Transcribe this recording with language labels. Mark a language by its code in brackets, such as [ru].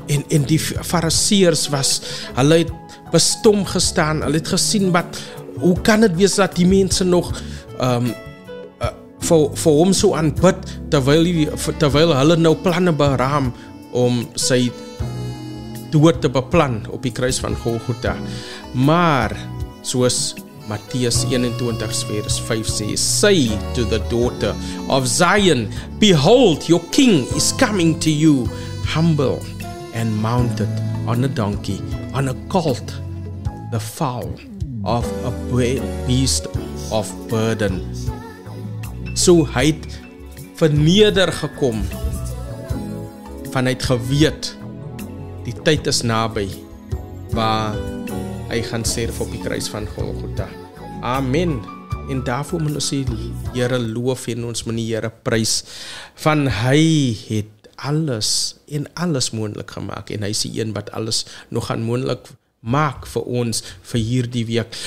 [af] En die fariseers was, hulle het bestom gestaan, hulle het gesien wat, hoe kan het wees dat die mense nog vir hom so aanbid terwyl hulle nou planne beraam om sy dood te beplan op die kruis van Golgotha. Maar soos Matteus 21:5 sê, [en] say to the daughter of Zion, behold, your king is coming to you humble and mounted on a donkey, on a colt, the foal of a beast of burden. [af] So hy het verneder gekom, van hy het geweet die tyd is naby waar hy gaan sterf op die kruis van Golgotha. Amen. En daarvoor moet ons die Here loof en ons moet die Here prys, van hy het alles en alles moontlik gemaak en hy is die een wat alles nog gaan moontlik maak vir ons vir hierdie week.